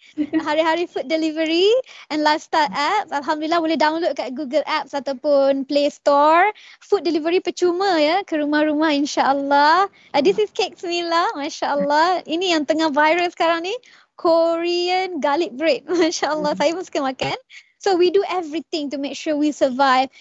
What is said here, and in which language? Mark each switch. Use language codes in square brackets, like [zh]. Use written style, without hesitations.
[ms] Hari-hari food delivery and lifestyle apps. Alhamdulillah boleh download kat Google Apps ataupun Play Store. Food delivery percuma ya, ke rumah-rumah, insyaAllah. [en] This is cake Mila, masyaAllah. [ms] Ini yang tengah viral sekarang ni, Korean garlic bread. MasyaAllah, saya pun suka makan. [en] So we do everything to make sure we survive.